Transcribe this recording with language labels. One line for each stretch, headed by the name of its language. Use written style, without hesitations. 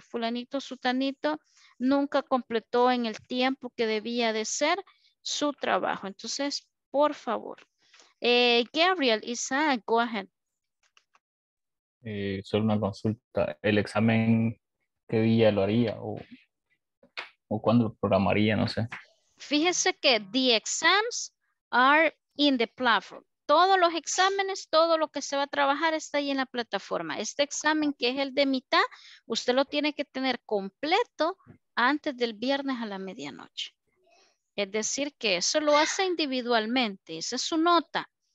Spanish: Fulanito, sutanito nunca completó en el tiempo que debía de ser su trabajo. Entonces, por favor. Gabriel, Isaac,
English: go ahead.
Spanish: Solo una consulta. ¿El examen qué día lo haría? o cuándo lo programaría, no sé. Fíjese que
English: the exams are in the platform.
Spanish: Todos los exámenes, todo lo que se va a trabajar está ahí en la plataforma. Este examen que es el de mitad, usted lo tiene que tener completo antes del viernes a la medianoche. Es decir que eso lo hace individualmente, esa es su nota.